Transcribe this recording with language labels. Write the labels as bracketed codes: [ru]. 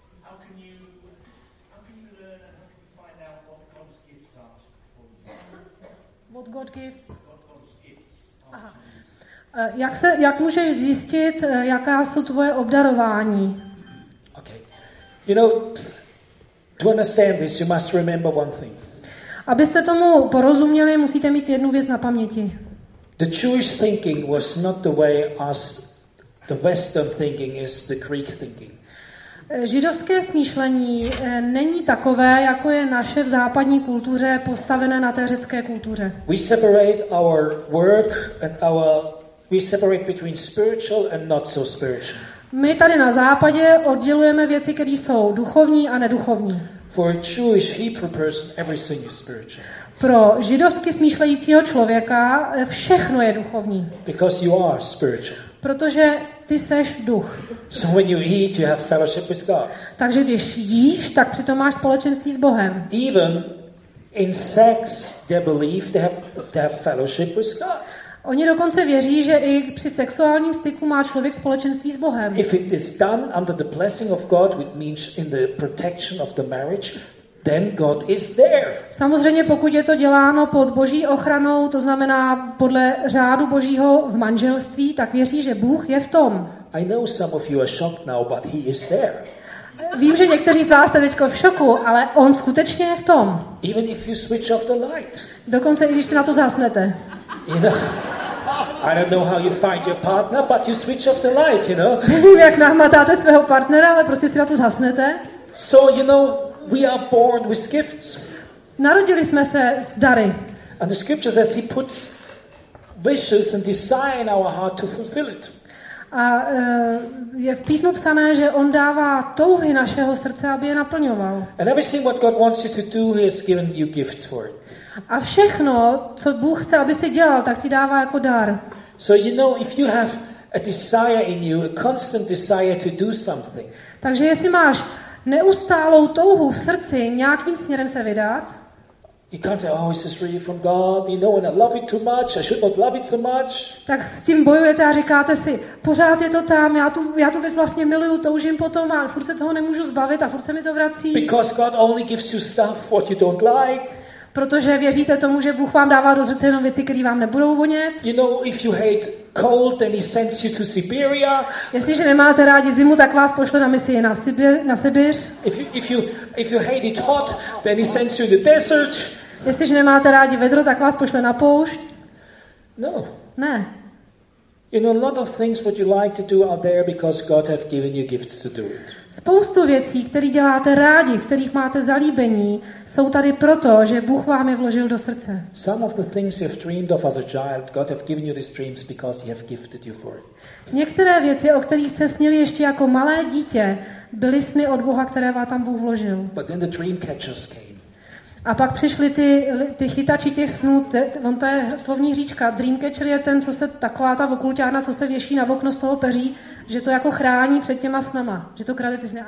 [en] How can you learn and how can you find out what God's gifts are for you? What God gives? What God's gifts are for you? [cs] Jak můžeš zjistit, jaká jsou tvoje obdarování? [en] Okay. You know, to understand this, you must remember one thing. [cs] Abyste tomu porozuměli, musíte mít jednu věc na paměti. [en] The Jewish thinking was not the way as the Western thinking is the Greek thinking. [cs] Židovské smýšlení není takové, jako je naše v západní kultuře postavené na té řecké kultuře. [en] We separate our work and our we separate between spiritual and not so spiritual. [cs] My tady na západě oddělujeme věci, které jsou duchovní a neduchovní. [en] For a Jewish Hebrew person, everything is spiritual. [cs] Pro židovsky smýšlejícího člověka všechno je duchovní. [en] Because you are spiritual. [cs] Protože ty seš duch. [en] So when you eat, you have fellowship with God. [cs] Takže když jíš, tak přitom máš společenství s Bohem. [en] Even in sex, they believe they have fellowship with God. [cs] Oni dokonce věří, že i při sexuálním styku má člověk společenství s Bohem. [en] If it is done under the blessing of God, which means in the protection of the marriage, then God is there. [cs] Samozřejmě, pokud je to děláno pod Boží ochranou, to znamená podle řádu Božího v manželství, tak věří, že Bůh je v tom. [en] I know some of you are shocked now, but he is there. [cs] Vím, že někteří z vás jste teďko v šoku, ale on skutečně je v tom. [en] Even if you switch off the light. [cs] Dokonce i když si na to zasnete. [en] You know, I don't know how you find your partner, but you switch off the light, you know. [cs] Nevím, jak nahmatáte svého partnera, ale prostě si na to zasnete. [en] So, you know, we are born with gifts. [cs] Narodili jsme se s dary. [en] And the scripture says he puts wishes and desire in our heart to fulfill it. [cs] A je v písmu psané, že on dává touhy našeho srdce, aby je naplňoval. [en] And everything what God wants you to do, he has given you gifts for it. [cs] A všechno, co Bůh chce, aby si dělal, tak ti dává jako dar. [en] So you know, if you have a desire in you, a constant desire to do something. [cs] Takže jestli máš neustálou touhu v srdci nějakým směrem se vydat, [en] You can't say, oh, is this really from God? You know, and I love it too much. I should not love it so much. [cs] Tak s tím bojujete a říkáte si, pořád je to tam. Já tu věc vlastně miluju, toužím potom a furt se toho nemůžu zbavit a furt se mi to vrací. [en] Because God only gives you stuff what you don't like. [cs] Protože věříte tomu, že Bůh vám dává do srdce jenom věci, které vám nebudou vonět. [en] You know, if you hate cold, then he sends you to Siberia. [cs] Jestliže nemáte rádi zimu, tak vás pošle na misi na Sibir. [en] If you hate it hot, then he sends you to the desert. [cs] Jestliže nemáte rádi vedro, tak vás pošle na poušť. [en] No. [cs] Ne. [en] You know, a lot of things what you like to do are there because God have given you gifts to do it. [cs] Spoustu věcí, které děláte rádi, v kterých máte zalíbení, jsou tady proto, že Bůh vám je vložil do srdce. [en] Some of the things you've dreamed of as a child, God have given you these dreams because he have gifted you for it. [cs] Některé věci, o kterých jste snili ještě jako malé dítě, byly sny od Boha, které vám tam Bůh vložil. [en] But then the dream catchers came. [cs] A pak přišli ty chytači těch snů, on to je slovní hříčka, dream catcher je ten, co se taková ta okulťána, co se věší na okno z toho peří, že to jako chrání před těma snama, že to krade ty sny.